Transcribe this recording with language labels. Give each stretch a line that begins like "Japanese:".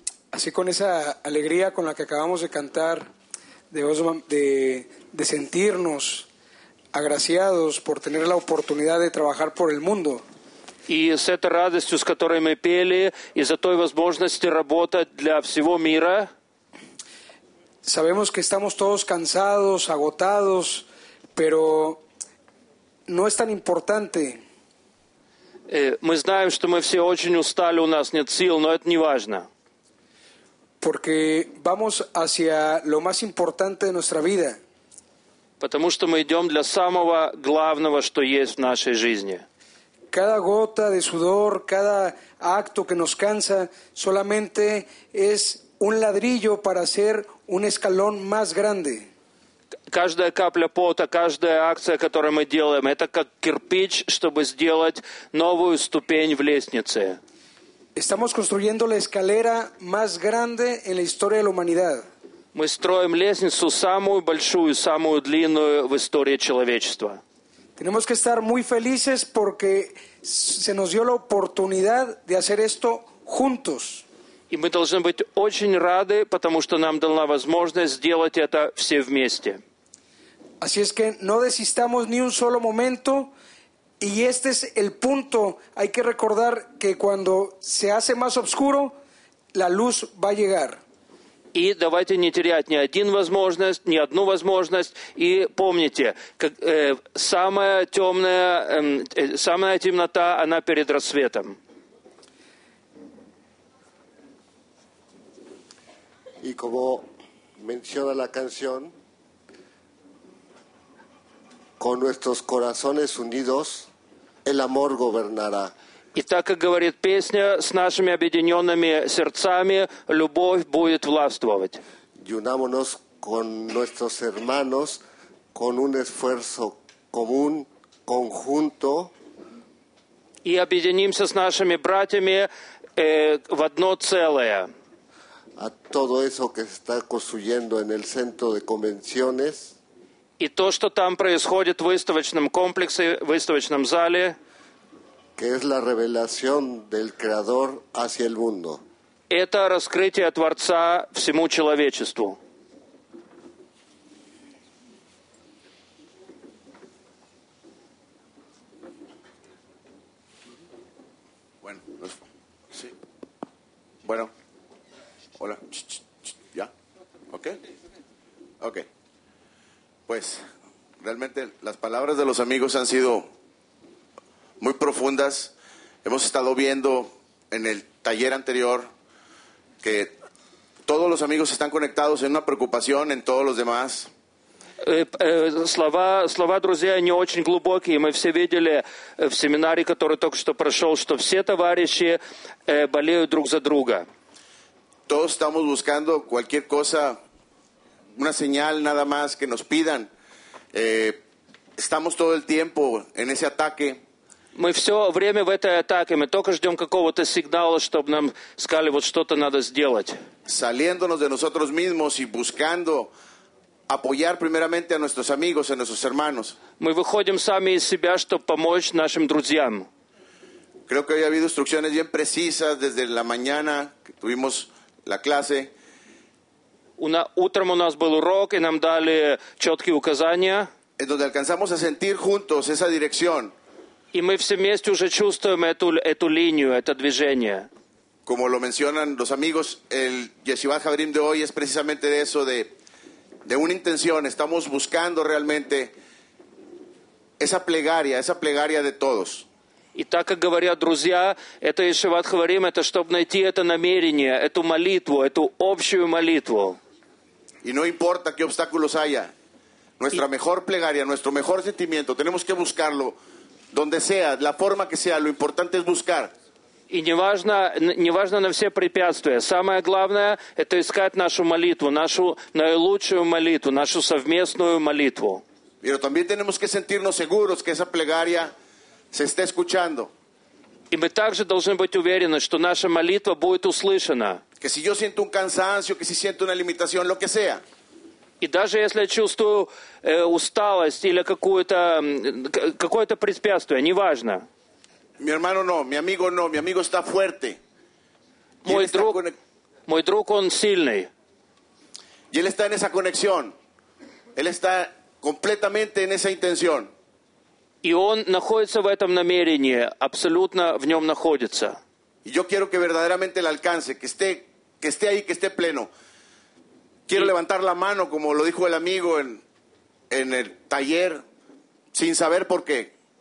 Spanish: Así con esa alegría con la que acabamos de cantar, de Osman, de sentirnos agraciados por tener la oportunidad de trabajar por el mundo. Y
Russian: с этой радостью, с которой мы пели, и за той возможности работать для всего мира.
Spanish: Sabemos que estamos todos cansados, agotados, pero no es tan importante.
Russian: Мы знаем, что мы все очень устали, у нас нет сил, но это не важно.
Spanish: Porque vamos hacia lo más importante de nuestra vida.
Russian: Потому что мы идем для самого главного, что есть в нашей жизни.
Spanish: Cada gota de sudor, cada acto que nos cansa, solamente es un ladrillo para hacer un escalón más grande.
Russian: Каждая капля пота, каждая акция, которую мы делаем, это как кирпич, чтобы сделать новую ступень в лестнице.
Spanish: Estamos construyendo la escalera más grande en la historia de la humanidad.
Russian: Мы строим лестницу самую большую, самую длинную в истории человечества.
Spanish: Tenemos que estar muy felices porque se nos dio la oportunidad de hacer esto juntos.
Russian: И мы должны быть очень рады, потому что нам дана возможность сделать это все вместе.
Spanish: Así es que no desistamos ni un solo momento. Y este es el punto. Hay que recordar que cuando se hace más oscuro, la luz va a llegar.
Russian: И давайте не терять ни один возможность, ни одну возможность. И помните, как, самая темная, самая темнота, она перед рассветом. И
Spanish: como menciona la canción, con nuestros corazones unidos, el amor gobernará.
Russian: И так, как говорит песня, с нашими объединенными сердцами любовь будет властвовать.
Spanish: Unámonos con nuestros hermanos con un esfuerzo común, conjunto.
Russian: И объединимся с нашими братьями в одно целое.
Spanish: A todo eso que se está construyendo en el centro de convenciones.
Russian: И то, что там происходит в выставочном комплексе, в выставочном зале.
Spanish: Que es la revelación del Creador hacia el mundo.
Russian: Это раскрытие Творца всему человечеству.
Spanish: Bueno, sí. Bueno. Hola. Ya. Okay. Okay. Pues, realmente las palabras de los amigos han sido muy profundas. Hemos estado viendo en el taller anterior que todos los amigos están conectados en una preocupación en todos los demás.
Russian: Слова, друзья, они очень глубокие. Мы все видели в семинаре, который только что прошел, что все товарищи болеют друг за друга.
Spanish: Todos estamos buscando cualquier cosa, una señal nada más que nos pidan. Estamos todo el tiempo en ese ataque.
Russian: Мы все время в этой атаке. Мы только ждем какого-то сигнала, чтобы нам сказали, вот что-то надо сделать.
Spanish: Saliéndonos de nosotros mismos y buscando apoyar primeramente a nuestros amigos, a nuestros hermanos.
Russian: Мы выходим сами из себя, чтобы помочь нашим друзьям.
Spanish: Creo que hoy ha habido instrucciones bien precisas desde la mañana que tuvimos la clase.
Russian: Утром у нас был урок, и нам дали четкие указания.
Spanish: En donde alcanzamos a sentir juntos esa dirección.
Russian: И мы все вместе уже чувствуем эту линию, это движение.
Spanish: Como lo mencionan los amigos, el Yeshivat Haverim de hoy es precisamente de eso, de una intención. Estamos buscando realmente esa plegaria de todos.
Russian: И так, как говорят друзья, это Yeshivat Haverim, это чтобы найти это намерение, эту молитву, эту общую молитву.
Spanish: Y no importa qué obstáculos haya, nuestra mejor plegaria, nuestro mejor sentimiento, tenemos que buscarlo. Donde sea, la forma que sea, lo importante es buscar.
Russian: И неважно на все препятствия. Самое главное – это искать нашу молитву, нашу наилучшую молитву, нашу совместную молитву.
Spanish: Pero también tenemos que sentirnos seguros que esa plegaria se esté escuchando.
Russian: И мы также должны быть уверены, что наша молитва будет услышана.
Spanish: Que si yo siento un cansancio, que si siento una limitación, lo que sea.
Russian: И даже если я чувствую усталость или какое-то препятствие, неважно.
Spanish: Mi hermano no, mi amigo no, mi amigo está fuerte.
Russian: Мой друг, он сильный.
Spanish: Y él está en esa conexión. Él está completamente en esa intención.
Russian: И он находится в этом намерении, абсолютно в нем находится.
Spanish: Y yo quiero que verdaderamente le alcance, que esté ahí, que esté pleno. Quiero levantar la mano, como lo dijo el amigo en el taller, sin saber por qué.